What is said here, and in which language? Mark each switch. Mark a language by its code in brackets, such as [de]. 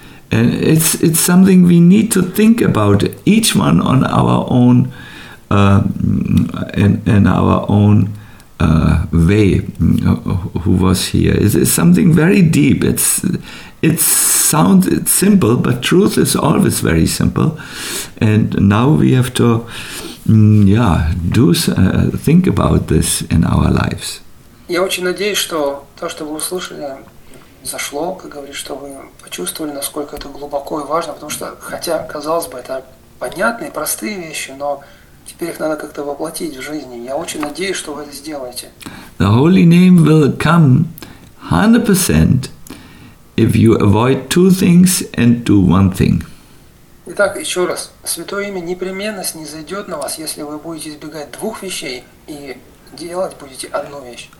[en] And it's something we need to think about, each one on our own way, who was here. It's something very deep. It sounds simple, but truth is always very simple. And now we have to think about this in our lives. [ru] Я очень надеюсь, что то, что вы услышали, зашло, как говорится, что вы почувствовали, насколько это глубоко и важно, потому что, хотя, казалось бы, это понятные, простые вещи, но теперь их надо как-то воплотить в жизни. Я очень надеюсь, что вы это сделаете. [en] The holy name will come 100% if you avoid two things and do one thing. [ru] Итак, еще раз. Святое имя непременно снизойдет на вас, если вы будете избегать двух вещей и делать будете одну вещь.